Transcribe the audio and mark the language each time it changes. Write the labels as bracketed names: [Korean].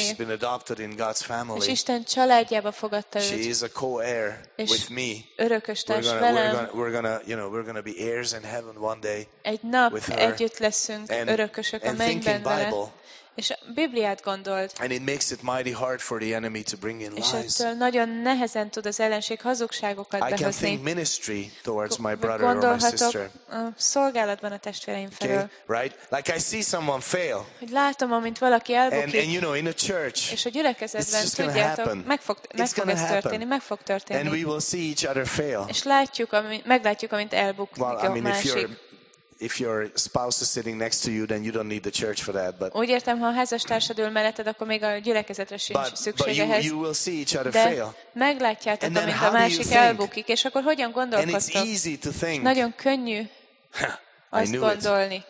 [English] She's been adopted in God's family. [Hungarian] És Isten családjába fogadta őt. [English] She is a co-heir with me. [Hungarian] Örökös társ velem. [English] We're gonna be heirs in heaven one day. [Hungarian] Egy nap együtt leszünk örökösök a mennyben vele. És a Bibliát gondolt. [English] And it makes it mighty hard for the enemy to bring in lies. [Hungarian] És ettől nagyon nehezen tud az ellenség hazugságokat behozni. [English] I can think ministry towards my brother or my sister. [Hungarian] Szolgálatban a testvéreim felől. [English] Okay, right? Like I see someone fail. [Hungarian] Hogy látom, amint valaki elbukik. [English] And you know, in a church. [Hungarian] És a gyülekezetben, tudjátok, meg fog történni. [English] And we will see each other fail. [Hungarian] És látjuk, meglátjuk, amint elbukik [English] well, [Hungarian] a másik. [English] If your spouse is sitting next to you, then you don't need the church for that. But [Hungarian] úgy értem, ha a házastársad ül melletted, akkor még a gyülekezetre sincs szüksége ehhez. [English] But you will see each other [Hungarian] de [English] fail. [Hungarian] Meglátjátok, amint a másik elbukik, és akkor hogyan gondolkoztok? [English] And it's easy to think. [Hungarian] Nagyon könnyű azt gondolni.